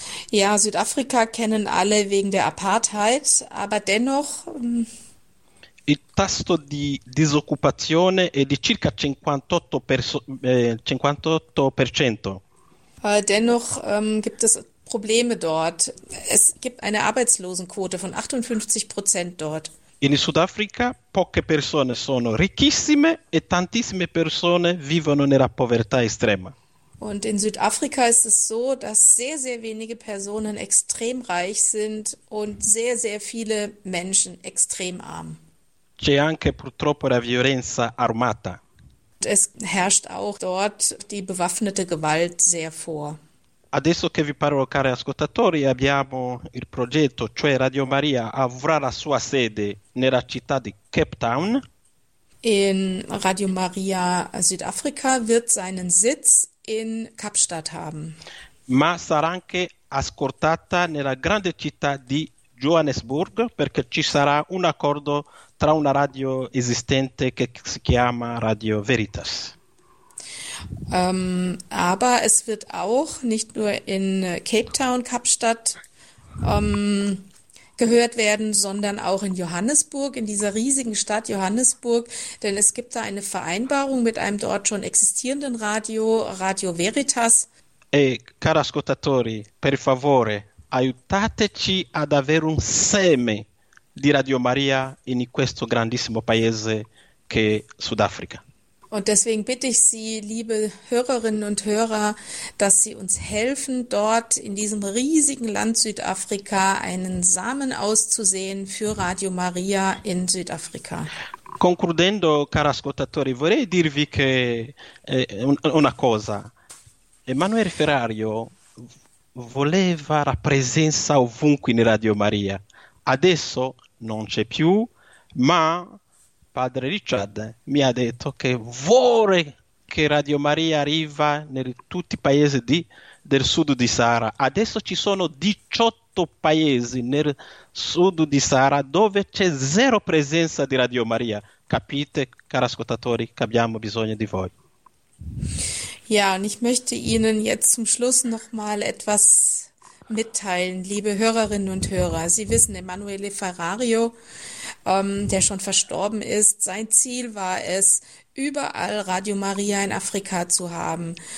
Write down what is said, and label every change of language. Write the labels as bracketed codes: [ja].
[de] Ja, Südafrika kennen alle wegen der Apartheid, aber dennoch. [it] Il tasso di disoccupazione è di circa 58%. [de] Dennoch gibt es Probleme dort. Es gibt eine Arbeitslosenquote von 58% dort. [it] In Sudafrica poche persone sono ricchissime e tantissime persone vivono nella povertà estrema. [de] Und in Südafrika ist es so, dass sehr, sehr wenige Personen extrem reich sind und sehr, sehr viele Menschen extrem arm. [it] C'è anche purtroppo la violenza armata. [de] Es herrscht auch dort die bewaffnete Gewalt sehr vor. [it] Adesso che vi parlo, cari ascoltatori, abbiamo il progetto, cioè Radio Maria avrà la sua sede nella città di Cape Town. [de] In Radio Maria Südafrika wird seinen Sitz in Kapstadt haben. [it] Ma sarà anche ascoltata nella grande città di Johannesburg, perché ci sarà un accordo tra una radio esistente che si chiama Radio Veritas. [de] Aber es wird auch nicht nur in Cape Town, Kapstadt, gehört werden, sondern auch in Johannesburg, in dieser riesigen Stadt Johannesburg. Denn es gibt da eine Vereinbarung mit einem dort schon existierenden Radio, Radio Veritas. [it] E, cari ascoltatori, per favore, aiutateci ad avere un seme di Radio Maria in questo grandissimo paese che è Sudafrica. [de] Und deswegen bitte ich Sie, liebe Hörerinnen und Hörer, dass Sie uns helfen, dort in diesem riesigen Land Südafrika einen Samen auszusäen für Radio Maria in Südafrika. [it] Concludendo, cari ascoltatori, vorrei dirvi che una cosa. Emanuele Ferrario voleva la presenza ovunque in Radio Maria. Adesso non c'è più, ma padre Richard mi ha detto che vuole che Radio Maria arriva in tutti i paesi del sud di Sahara. Adesso ci sono 18 paesi nel sud di Sahara dove c'è zero presenza di Radio Maria. Capite, cari ascoltatori, che abbiamo bisogno di voi. [de] Ja, und ich möchte Ihnen jetzt zum Schluss noch mal etwas mitteilen, liebe Hörerinnen und Hörer. Sie wissen, Emanuele Ferrario, der schon verstorben ist, sein Ziel war es, überall Radio Maria in Afrika zu haben.